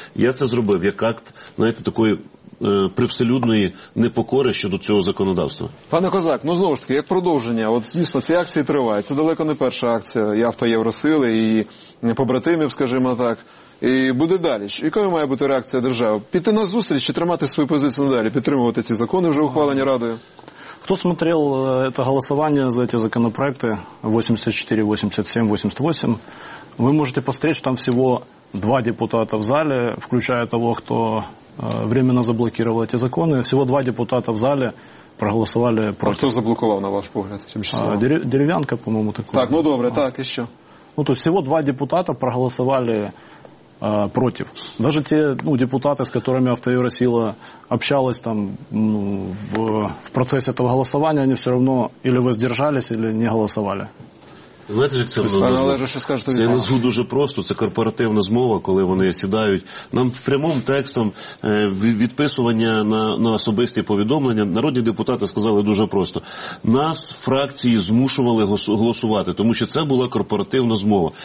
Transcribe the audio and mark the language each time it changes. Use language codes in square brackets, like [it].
[uk] Я це зробив як акт, знаєте, такої привселюдної непокори щодо цього законодавства. Пане Козак, ну знову ж таки, як продовження, от дійсно ці акції тривають, це далеко не перша акція і Автоєвросили, і побратимів, скажімо так, і буде далі. Якою має бути реакція держави? Піти на зустріч чи тримати свою позицію надалі, підтримувати ці закони вже ухвалені Радою? [ru] Хто смотрел это голосование за эти законопроекты 84, 87, 88, вы можете посмотреть, что там всего два депутата в зале, включая того, кто временно заблокировал эти законы. Всего два депутата в зале проголосовали против. А кто заблокировал, [uk] на ваш погляд? [ru] Деревянка, по-моему, такой. [uk] Так, ну добре, так, еще. [ru] Ну, то есть всего два депутата проголосовали против. Даже те депутаты, с которыми Автоевросила общалась там в процессе этого голосования, они все равно или воздержались, или не голосовали. [uk] Знаєте, як це виглядає? Це назву дуже просто. Це корпоративна змова, коли вони сідають. Нам прямим текстом відписування на особисті повідомлення народні депутати сказали дуже просто. Нас, фракції, змушували голосувати, тому що це була корпоративна змова.